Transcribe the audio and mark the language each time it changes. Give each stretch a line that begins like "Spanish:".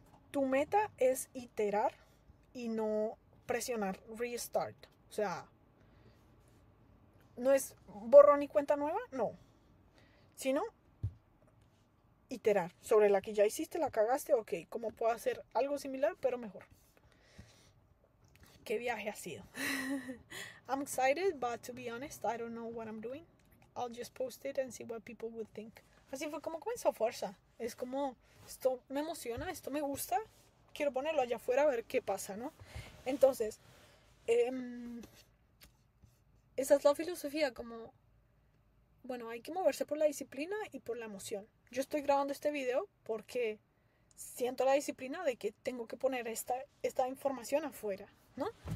Spanish: Tu meta es iterar y no presionar restart. O sea, no es borrón y cuenta nueva, no. Sino iterar sobre la que ya hiciste, la cagaste, ok, ¿cómo puedo hacer algo similar pero mejor? ¿Qué viaje ha sido?
English: I'm excited, but to be honest, I don't know what I'm doing. I'll just post it and see what people would think.
Spanish: Así fue como comenzó Forza. Es como, esto me emociona, esto me gusta. Quiero ponerlo allá afuera a ver qué pasa, ¿no? Entonces, esa es la filosofía, como, bueno, hay que moverse por la disciplina y por la emoción. Yo estoy grabando este video porque siento la disciplina de que tengo que poner esta información afuera, ¿no?